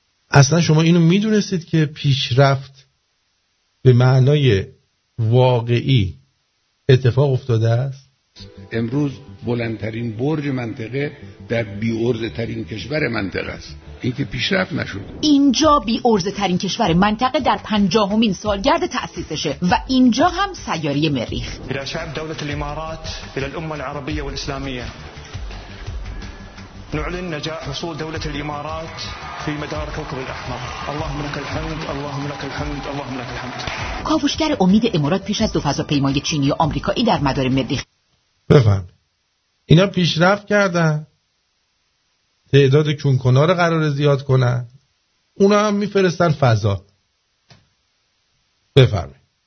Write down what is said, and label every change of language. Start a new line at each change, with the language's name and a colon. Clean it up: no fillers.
Persian: اصلا شما اینو میدونستید که پیشرفت به معنای واقعی اتفاق افتاده است؟ امروز بلندترین برج منطقه در بی‌عرضه‌ترین کشور منطقه است. این که پیشرفت نشد. اینجا بی‌عرضه‌ترین کشور منطقه در 50مین سالگرد تأسیسشه و اینجا هم سیاره مریخ.
Arabic: الى شعب دولة الامارات الى الامه العربيه والاسلاميه نعلن نجاح حصول دولة الامارات في مدار كوكب الاحمر. اللهم لك الحمد، اللهم لك الحمد، اللهم لك الحمد.
Persian: کاوشگر امید امارات پیش از دو فضاپیمای چینی و آمریکایی در مدار مریخ. بفهم. اینا پیشرفت کردن. تعداد کنکنا رو قرار زیاد کنن، اونا هم میفرستن فضا. بفرمایید.